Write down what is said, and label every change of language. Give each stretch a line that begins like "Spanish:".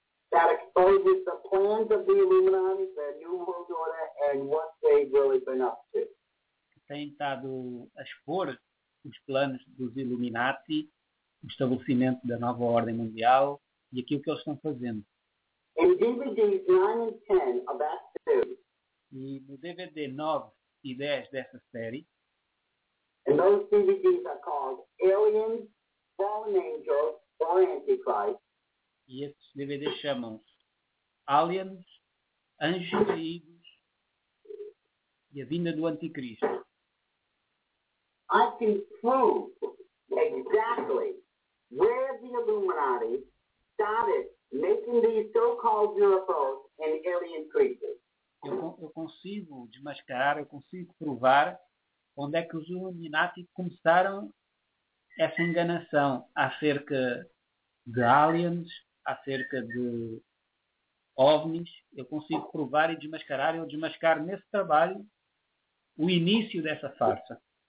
English: That exposes the plans of the Illuminati, their new world order, and what they've really been up to.
Portuguese: Têm estado a expor os planos dos Illuminati, o estabelecimento da nova ordem mundial e aquilo que eles estão fazendo.
English: In DVDs 9 and 10 of that series,
Portuguese: e no DVD 9 e 10 dessa série,
English: and those DVDs are called Aliens, Fallen Angels, or Antichrist,
Portuguese: e esses DVDs chamam-se Aliens, Anjos Caídos e a Vinda do Anticristo.
English: I can prove exactly where the Illuminati started making these so-called UFOs and alien creatures.
Portuguese: Eu consigo desmascarar, eu consigo provar onde é que os Illuminati começaram essa enganação acerca de aliens, acerca de OVNIs. Eu consigo provar e desmascarar, eu desmascar nesse trabalho o início dessa farsa.